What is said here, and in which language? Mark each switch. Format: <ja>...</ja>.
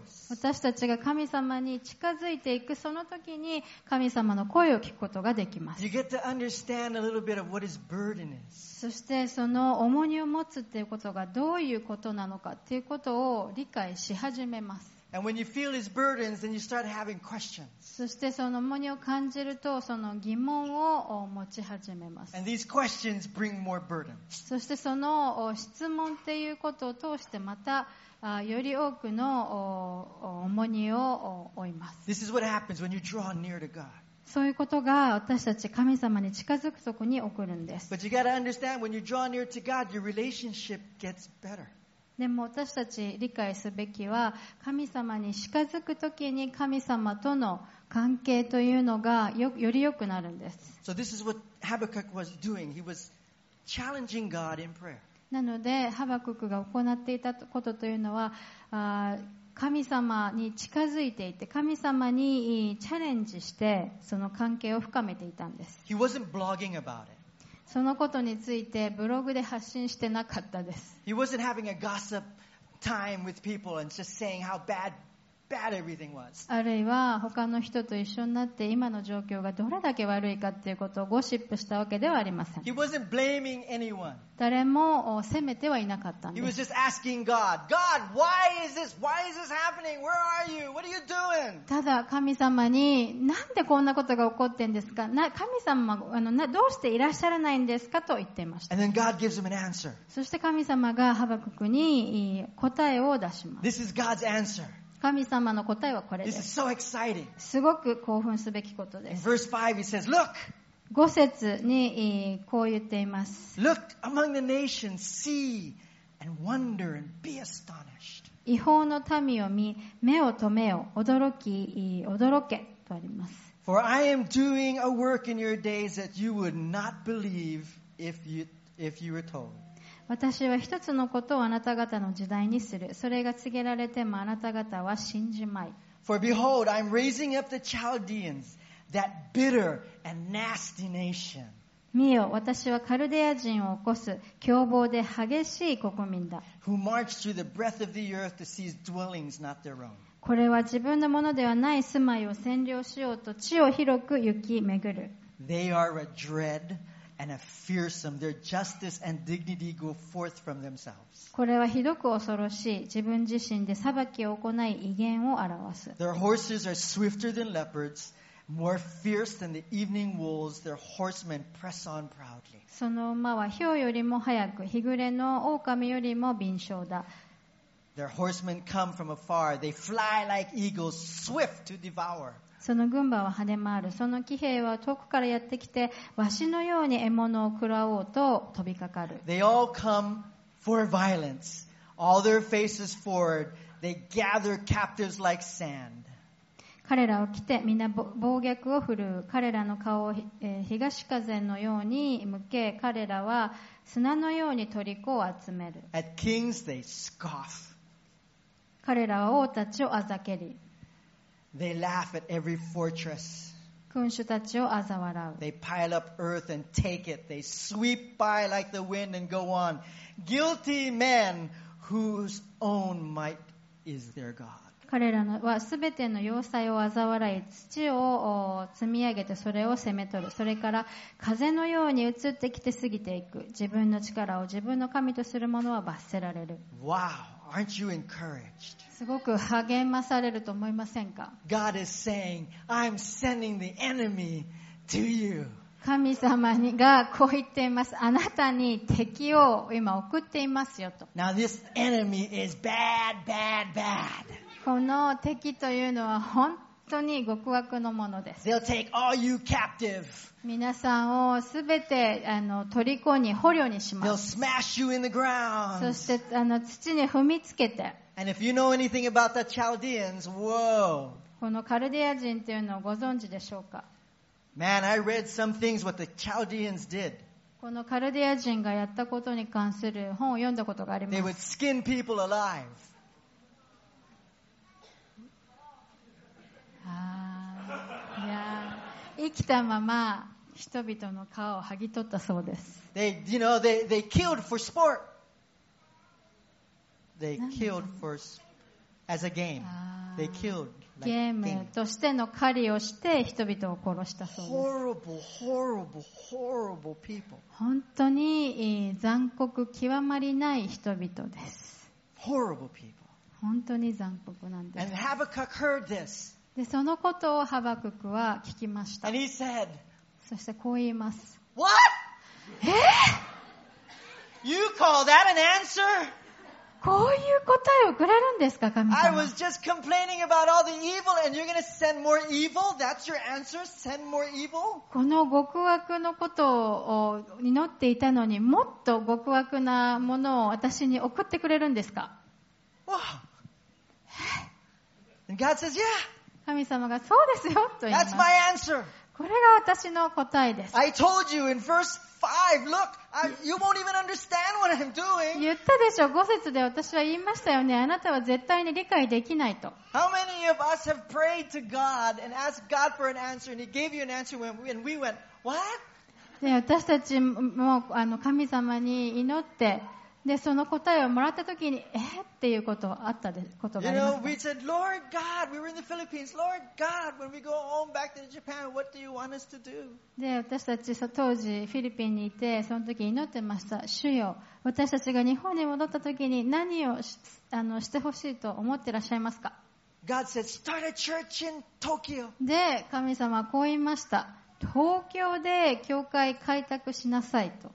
<ja>私たちが神様に近づいていくその時に、神様の声を聞くことができます。</ja> <en>You get to understand a little bit of what his burden is.</en> <ja>そしてその重荷を持つっていうことがどういうことなのかっていうことを理解し始めます。</ja> <en>And when you feel his burdens, then you start having questions.</en> <ja>そしてその重荷を感じると、その疑問を持ち始めます。</ja> <en>And these questions bring more burden.</en> <ja>そしてその質問っていうことを通して、またより多くの重荷を負います。</ja> <en>This is what happens when you draw near to God.</en> <ja>そういうことが私たち神様に近づくときに起こるんです。</ja> <en>But you got to understand, when you draw near to God, your relationship gets better.</en> <ja>でも私たち理解すべきは、神様に近づくときに神様との関係というのがより良くなるんです。</ja> <en>So this is what Habakkuk was doing. He was challenging God in prayer.</en> <ja>なのでハバククが行っていたことというのは、神様に近づいていて、神様にチャレンジしてその関係を深めていたんです。</ja> <en>He wasn't blogging about it.</en> <ja>そのことについてブログで発信してなかったです。</ja> <en>He wasn't having a gossip time with people and just saying how bad everything was.</en> <ja>あるいは他の人と一緒になって今の状況がどれだけ悪いかということをゴシップしたわけではありません。</ja> <en>He wasn't blaming anyone.</en> <ja>誰も責めてはいなかったんです。</ja> <en>He was just asking God, God, why is this happening? Where are you? What are you doing?</en> <ja>ただ神様に、なんでこんなことが起こってんですか？神様、どうしていらっしゃらないんですかと言っていました。</ja> <en>And then God gives him an answer.</en> <ja>そして神様がハバククに答えを出します。</ja> <en>This is God's answer.</en> <ja>神様の答えはこれです。</ja> <en>This is so exciting.</en> <ja>すごく興奮すべきことです。</ja> <en>Verse 5, he says, Look!</en> <ja>5節にこう言っています。</ja> <en>Look among the nations, see and wonder and be astonished.</en> <ja>異邦の民を見、目を留めよ、驚けとあります。</ja> <en>For I am doing a work in your days that you would not believe if you were told.</en> <ja>私は一つのことをあなた方の時代にする。それが告げられてもあなた方は信じまい。</ja> <en>For behold, I'm raising up the Chaldeans, that bitter and nasty nation.</en> <ja>見よ、私はカルデア人を起こす凶暴で激しい国民だ。</ja> <en>Who march through the breadth of the earth to seize dwellings not their own.</en> <ja>これは自分のものではない住まいを占領しようと地を広く行き巡る。</ja> <en>They are a dreadAnd a fearsome, their justice and dignity go forth from themselves.</en> <ja>これはひどく恐ろしい。自分自身で裁きを行い、威厳を表す。</ja> <en>Their horses are swifter than leopards, more fierce than the evening wolves. Their horsemen press on proudly.</en> <ja>その馬はヒョウよりも早く、日暮れの狼よりも敏捷だ。</ja> <en>Their horsemen come from afar. They fly like eagles, swift to devour.</en> <ja>その軍馬は跳ね回る。その騎兵は遠くからやってきて、ワシのように獲物を食らおうと飛びかかる。</ja> <en>They all come for violence. All their faces forward. They gather captives like sand.</en> <ja>彼らを来て、みんな暴虐を振るう。彼らの顔を東風のように向け、彼らは砂のように虜を集める。</ja> <en>At kings they scoff.</en> <ja>彼らは王たちをあざけり。</ja> <en>They laugh at every fortress.</en> <ja>君主たちを嘲笑う。</ja> <en>They pile up earth and take it. They sweep by like the wind and go on. Guilty men whose own might is their God.</en> <ja>彼らはすべての要塞を嘲笑い、土を積み上げてそれを攻め取る。それから風のように移ってきて過ぎていく。自分の力を自分の神とする者は罰せられる。</ja> <en>Wow, aren't you encouraged?</en> <ja>すごく励まされると思いませんか。</ja> <en>God is saying, I'm sending the enemy to you.</en> <ja>神様にがこう言っています。あなたに敵を今送っていますよと。</ja> <en>Now this enemy is bad, bad, bad.</en> <ja>この敵というのは本当に極悪のものです。</ja> <en>They'll take all you captive.</en> <ja>皆さんをすべて虜に捕虜にします。</ja> <en>They'll smash you in the ground.</en> <ja>そして土に踏みつけて。</ja> <en>And if you know anything about the Chaldeans, whoa.</en> <ja>このカルデア人というのをご存知でしょうか。</ja> <en>Man, I read some things what the Chaldeans did.</en> <ja>このカルデア人がやったことに関する本を読んだことがあります。</ja> <en>They would skin people alive.</en> <ja>ああ、いや、生きたまま人々の皮を剥ぎ取ったそうです。</ja> <en>They, you know, they killed for sport. They killed for as a game. They killed.</en> <ja>ゲームとしての狩りをして人々を殺したそうです。</ja> <en>Horrible, horrible, horrible people.</en> <ja>本当に残酷極まりない人々です。</ja> <en>Horrible people.</en> <ja>本当に残酷なんです。</ja> <en>And Habakkuk heard this.</en> <ja>で、そのことをハバククは聞きました。</ja> <en>And he said,</en> <ja>そしてこう言います。</ja> <en>What?</en> <ja>え？</ja> <en>You call that an answer?</en> <ja>こういう答えをくれるんですか、神様。</ja> <en>I was just complaining about all the evil and you're gonna send more evil? That's your answer? Send more evil?</en> <ja>この極悪のことを祈っていたのに、もっと極悪なものを私に送ってくれるんですか。</ja> <en>Wow. And God says, yeah.</en> <ja>神様がそうですよと言います。</ja> <en>That's my answer.</en> <ja>これが私の答えです。</ja> <en>I told you in verse 5, look, you won't even understand what I'm doing.</en> <ja>言ったでしょ、5節で私は言いましたよね。あなたは絶対に理解できないと。</ja> <en>How many of us have prayed to God and asked God for an answer and He gave you an answer when we went, what?</en> <ja>私たちも神様に祈って、で、その答えをもらった時に、え？っていうことがあったことがありますか。</ja> <en>You know, we said, Lord God, we were in the Philippines. Lord God, when we go home back to Japan, what do you want us to do?</en> <ja>で、私たち当時フィリピンにいて、その時祈ってました。主よ、私たちが日本に戻った時に何をしてほしいと思ってらっしゃいますか。</ja> <en>God said, start a church in Tokyo.</en> <ja>で、神様はこう言いました。東京で教会開拓しなさいと。</ja>